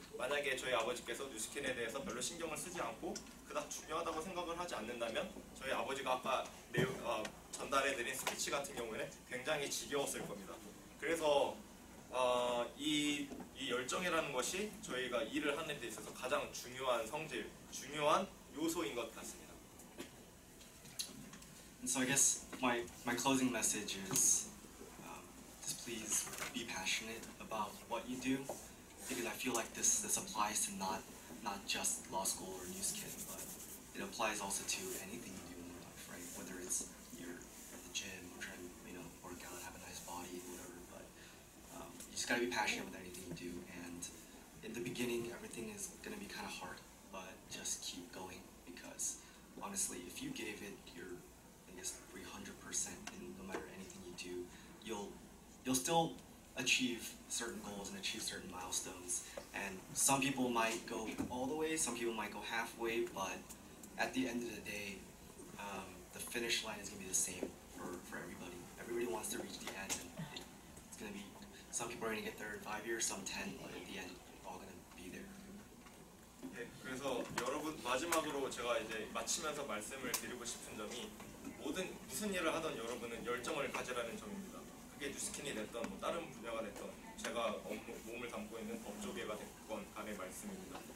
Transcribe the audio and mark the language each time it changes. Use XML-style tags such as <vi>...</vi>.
<ko>만약에 저희 아버지께서 뉴스킨에 대해서 별로 신경을 쓰지 않고 그닥 중요하다고 생각을 하지 않는다면 저희 아버지가 아까 전달해드린 스피치 같은 경우에는 굉장히 지겨웠을 겁니다. 그래서 이 열정이라는 것이 저희가 일을 하는 데 있어서 가장 중요한 성질, 중요한 요소인 것 같습니다.</ko> <en>And so I guess my closing message is just please be passionate about what you do, because I feel like this applies to not just law school or New Skin, but it applies also to anything you do in life, right? Whether it's you're at the gym or trying to, you know, work out, have a nice body, whatever. You just gotta be passionate with anything you do, and in the beginning, everything is gonna be kind of hard, but just keep going, because honestly, if you gave it your, I guess, 300% in no matter anything you do, you'll still achieve certain goals and achieve certain milestones, and some people might go all the way, some people might go halfway, but at the end of the day, the finish line is gonna be the same for everybody. Everybody wants to reach the end, and it's gonna be some people are going to get there in 5 years, some 10, but at the end, all going to be there.</en> <ko>네, 그래서 여러분 마지막으로 제가 이제 마치면서 말씀을 드리고 싶은 점이 모든 무슨 일을 하던 여러분은 열정을 가지라는 점입니다. 그게 뉴스킨이 됐던 뭐 다른 분야가 됐던 제가 몸을 담고 있는 법 쪽에가 됐건 간의 말씀입니다.</ko>